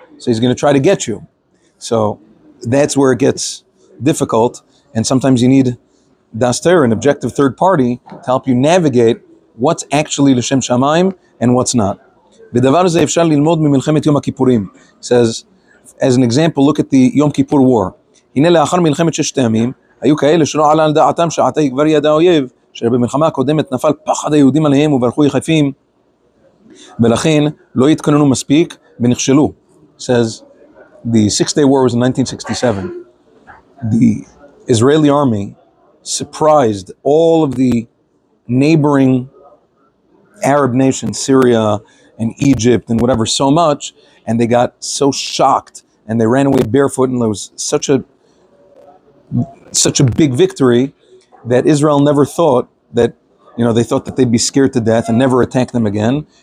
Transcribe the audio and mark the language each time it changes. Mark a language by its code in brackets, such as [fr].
[en] So he's going to try to get you. So that's where it gets difficult, and sometimes you need daster, an objective third party, to help you navigate what's actually [he] לשם שמיים [en] and what's not. [he] בדבר הזה אפשר ללמוד ממלחמת יום הכיפורים. [en] Says, as an example, look at the Yom Kippur War. [he] הנה לאחר מלחמת ששת הימים, היו כאלה שלא עלה על דעתם שעתה יגבר יד האויב, שבמלחמה הקודמת נפל פחד היהודים עליהם וברחו יחפים, ולכן לא התכוננו מספיק ונכשלו. [en] Says, the Six-Day War was in 1967. The Israeli army surprised all of the neighboring Arab nations, Syria and Egypt and whatever, so much, and they got so shocked, and they ran away barefoot, and it was such a big victory that Israel never thought that, you know, they thought that they'd be scared to death and never attack them again.